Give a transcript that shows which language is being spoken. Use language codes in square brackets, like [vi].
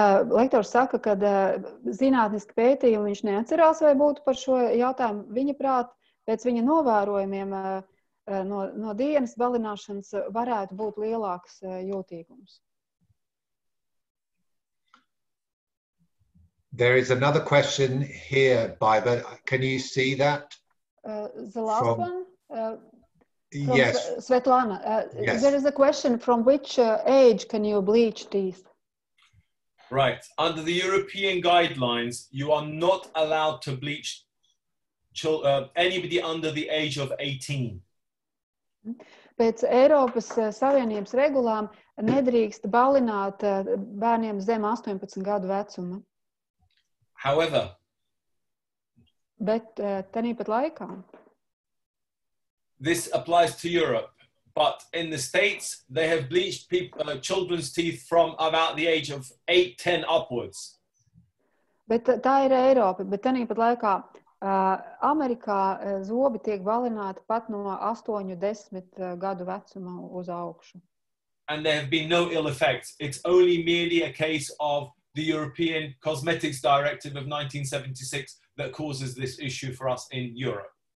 [lv] Lektors saka, ka zinātniski pētījumi viņš neatcerās, vai būtu par šo jautājumu. Viņa prāt, pēc viņa novērojumiem no dienas balināšanas varētu būt lielāks jūtīgums. [en] There is another question here, Baiba. Can you see that? The last from... one? Yes. Svetlana, yes. There is a question, from which age can you bleach teeth? Right. Under the European guidelines, you are not allowed to bleach anybody under the age of 18. [lv] Pēc Eiropas Savienības regulām nedrīkst balināt bērniem zem 18 gadu vecuma. [en] However, [lv] but tenī pat laikā, [en] this applies to Europe, but in the States they have bleached children's teeth from about the age of 8-10 upwards. [lv] Bet tā ir Eiropa, bet tenī pat laikā Amerikā zobi tiek balināti pat no 8-10 gadu vecuma uz augšu. [en] And there have been no ill effects. It's only merely a case of the European Cosmetics Directive of 1976 that causes this issue for us in Europe.